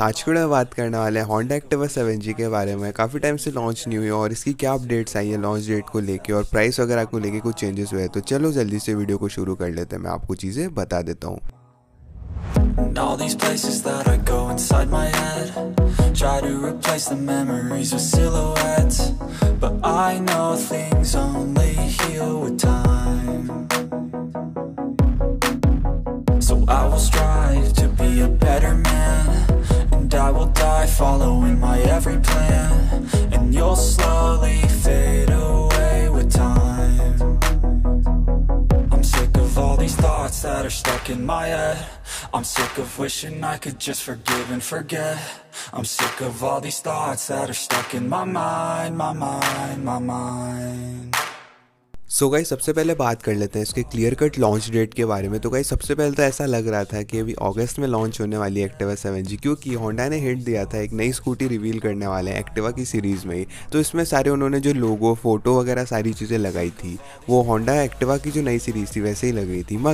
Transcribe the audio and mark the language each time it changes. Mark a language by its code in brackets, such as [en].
[hi] आज के दिन बात करने वाले हैं होंडा एक्टिवा 7G के बारे में। काफ़ी टाइम से लॉन्च नहीं हुई और इसकी क्या अपडेट्स आई है लॉन्च डेट को लेके और प्राइस वगैरह को लेके कुछ चेंजेस हुए, तो चलो जल्दी से वीडियो को शुरू कर लेते हैं, मैं आपको चीज़ें बता देता हूँ। [en] All these places that I go inside my head, try to replace the memories with silhouettes, but I know things only heal with time. So I will strive to be a better man, and I will die following my every plan, and you'll slowly fade away with time. I'm sick of all these thoughts that are stuck in my head. I'm sick of wishing I could just forgive and forget. I'm sick of all these thoughts that are stuck in my mind, my mind, my mind. [hi] So guys, सबसे पहले बात कर लेते हैं इसके clear cut launch date के बारे में। तो गाइस, सबसे पहले तो ऐसा लग रहा था कि अभी अगस्त में लॉन्च होने वाली एक्टिवा 7G, क्योंकि होंडा ने हिंट दिया था एक नई स्कूटी रिवील करने वाले हैं एक्टिवा की सीरीज में ही। तो इसमें सारे उन्होंने जो लोगो, फोटो वगैरह सारी चीज़ें लगाई थी वो होंडा एक्टिवा की जो नई सीरीज थी वैसे ही लग रही थी।